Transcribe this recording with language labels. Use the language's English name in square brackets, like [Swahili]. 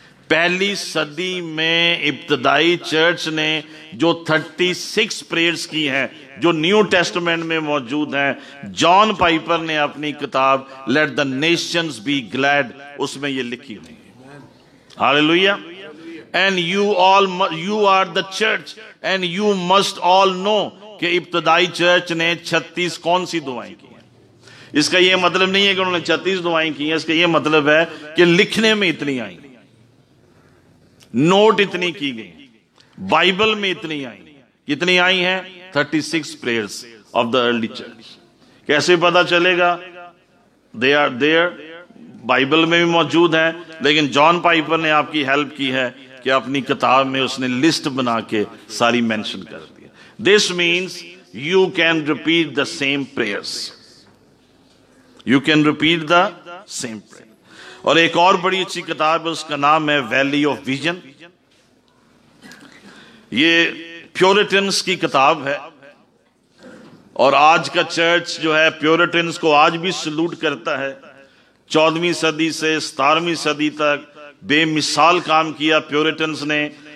[Urdu] پہلی صدی میں ابتدائی چرچ نے جو 36 پریئرز کی ہیں جو نیو ٹیسٹمنٹ میں موجود ہیں, جان پائپر نے اپنی کتاب let the nations be glad اس میں یہ لکھی ہوئی. Hallelujah. [English] And you are the church and you must all know [Urdu] کہ ابتدائی چرچ نے 36 کون سی دعائیں کی ہیں. اس کا یہ مطلب نہیں ہے کہ انہوں نے 36 دعائیں کی ہیں, اس کا یہ مطلب ہے کہ لکھنے میں اتنی آئیں, نوٹ اتنی کی گئی, بائبل میں اتنی آئیں. کتنی آئی ہیں؟ [English] 36 prayers of the early church. [Urdu] کیسے پتا چلے گا؟ [English] they are there, [Urdu] بائبل میں بھی موجود ہیں, لیکن جان پائپر نے آپ کی ہیلپ کی ہے کہ اپنی کتاب میں اس نے لسٹ بنا کے ساری مینشن کر دی. [English] This means you can repeat the same prayers. You can repeat the same prayer. [Urdu] اور ایک اور بڑی اچھی کتاب ہے, اس کا نام ہے ویلی آف ویژن. یہ پیورٹنز کی کتاب ہے, اور آج کا چرچ جو ہے پیورٹنز کو آج بھی سلوٹ کرتا ہے. 14ویں صدی سے 17ویں صدی تک بے مثال کام کیا پیورٹنز نے.